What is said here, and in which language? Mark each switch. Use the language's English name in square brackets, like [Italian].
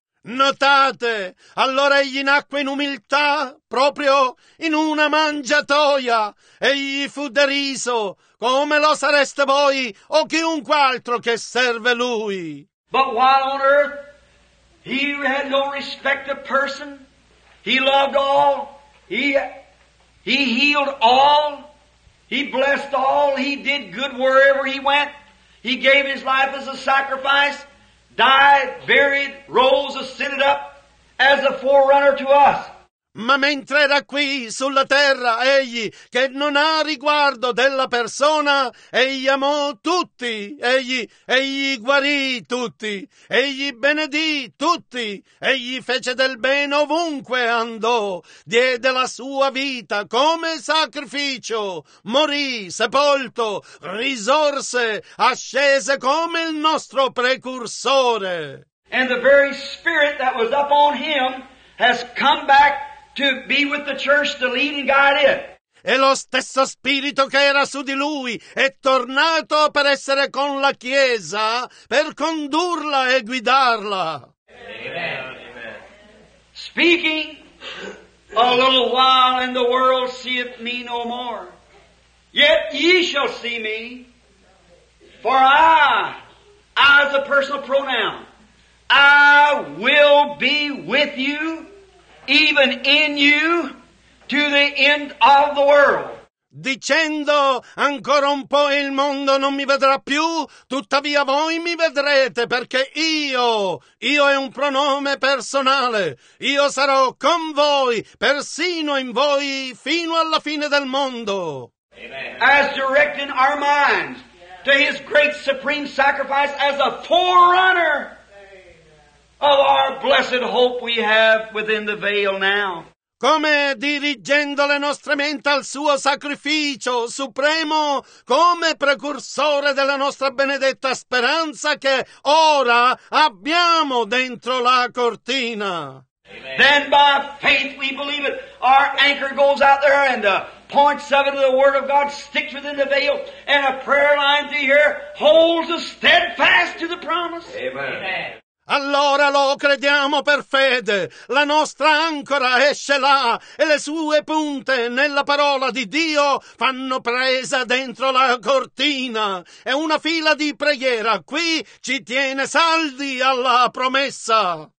[Italian] Notate, allora egli nacque in umiltà, proprio in una mangiatoia. Egli fu deriso, come lo sareste voi o chiunque altro che serve lui. [English] But while on earth he had no respect of person, he loved all, he healed all, he blessed all, he did good wherever he went. He gave his life as a sacrifice, died, buried, rose, ascended up as a forerunner to us. [Italian] Ma mentre era qui sulla terra, egli, che non ha riguardo della persona, egli amò tutti, egli guarì tutti, egli benedì tutti, egli fece del bene ovunque andò, diede la sua vita come sacrificio, morì, sepolto, risorse, ascese come il nostro precursore. [English] And the very spirit that was up on him has come back to be with the church to lead and guide it. [Italian] E lo stesso spirito che era su di lui è tornato per essere con la Chiesa, per condurla e guidarla. [English] Amen. Speaking a little while and the world seeth me no more. Yet ye shall see me. For I as a personal pronoun, I will be with you. Even in you, to the end of the world. [Italian] Dicendo, ancora un po' il mondo non mi vedrà più, tuttavia voi mi vedrete, perché io è un pronome personale, io sarò con voi, persino in voi, fino alla fine del mondo. [English] Amen. As directing our minds to his great supreme sacrifice as a forerunner of our blessed hope we have within the veil now. [Italian] Come dirigendo le nostre menti al suo sacrificio supremo, come precursore della nostra benedetta speranza che ora abbiamo dentro la cortina. [English] Amen. Then by faith we believe it. Our anchor goes out there and points of it to the Word of God, sticks within the veil, and a prayer line to hear holds us steadfast to the promise. Amen. Amen. [Italian] Allora lo crediamo per fede, la nostra ancora esce là e le sue punte nella parola di Dio fanno presa dentro la cortina e una fila di preghiera qui ci tiene saldi alla promessa.